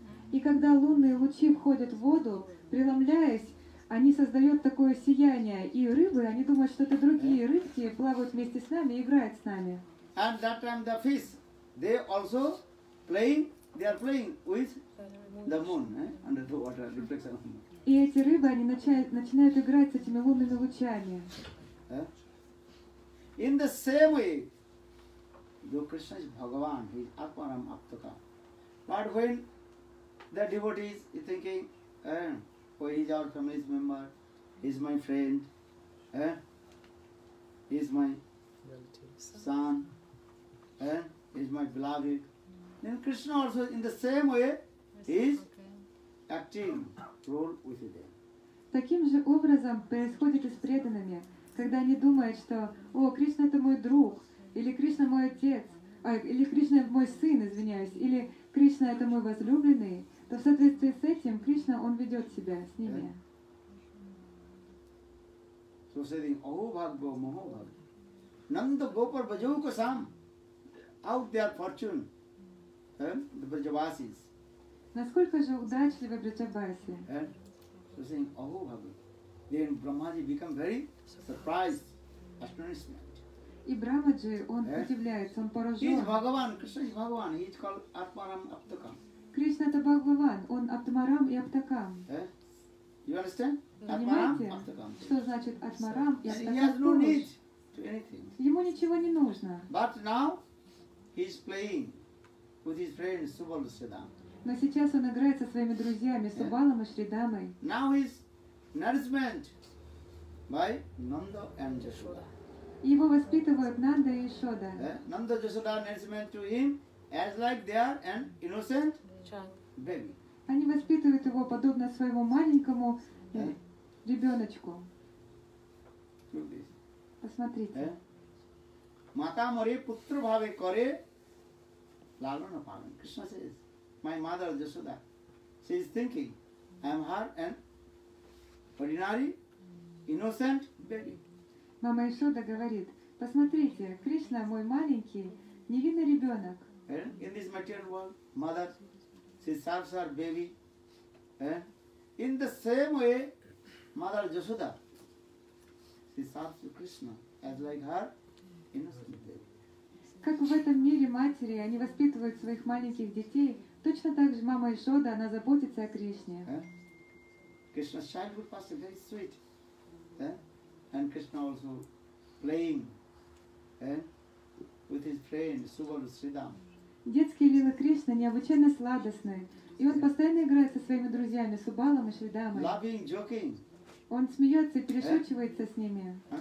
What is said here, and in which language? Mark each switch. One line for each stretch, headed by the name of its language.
Russian: И когда лунные лучи входят в воду, преломляясь, они создают такое сияние, и рыбы, они думают, что это другие рыбки, плавают вместе с нами, играют с нами.
English: And that time the fish, they also playing, they are playing with the moon, under the water reflection.
Russian: И эти рыбы, они начинают играть с этими лунными лучами.
English: In the same way, though Krishna is Bhagavan, he is Atmaram Aptaka. But when the devotees are thinking, he is our family member, he is my friend, he is my son, he is my beloved. Then Krishna also in the same way is acting role with them.
Russian: Таким же образом происходит и с преданными, когда они думают, что о, Кришна это мой друг, или Кришна мой отец, или Кришна мой сын, извиняюсь, или Кришна это мой возлюбленный. То в соответствии с этим Кришна он ведет себя с ними.
English: So saying, oh
Sanskrit: Bhagavo, Moho Bhag. Nanda Gopar Bajavuka Sam.
English: Out their fortune. The Brajavasis.
Russian: Насколько же удачливы Брачабаси?
English: So saying, oh Bhag. Then Brahmaji become very surprised, astonishment.
Russian: И Брахмаджи, он удивляется, он поражен.
English: He is Bhagavan, Krishna is Bhagavan. He is called Atmaram Aptaka.
Russian: Кришна это Бхагаван, он Аптмарам и Аптакам.
English: You understand?
Russian: Понимаете, что значит Аптмарам и Аптакам? Ему ничего не нужно.
English: But now he is playing with his friend Subala Sridham.
Russian: Но сейчас он играет со своими друзьями Субалом и Шридамой.
English: Now he is nourishment by Nanda and Yashoda.
Russian: Его воспитывают Нанда и Яшода.
English: Nanda Yashoda nourishment to him as like they are an innocent. Baby.
Russian: Они воспитывают его подобно своему маленькому ребеночку. Посмотрите.
Bangla: Мата море путру бхаве коре лалона палан.
English: Кришна says, my mother Yashoda, she is thinking, I am her an ordinary, innocent baby.
Russian: Мама Яшода говорит, посмотрите, Кришна мой маленький, невинный ребенок.
English: In this material world, mother, she serves her baby. In the same way, mother Yashoda, she serves Krishna as like her innocent baby.
Russian: Как в этом мире матери, они воспитывают своих маленьких детей, точно так же мама Яшода, она заботится о Кришне.
English: Krishna's childhood past is very sweet. And Krishna also playing with his friend Subala Sridham.
Russian: Детские лилы Кришны необычайно сладостны, и он постоянно играет со своими друзьями Субалом и Шридамой.
English: Loving, joking.
Russian: Он смеется и перешучивается с ними.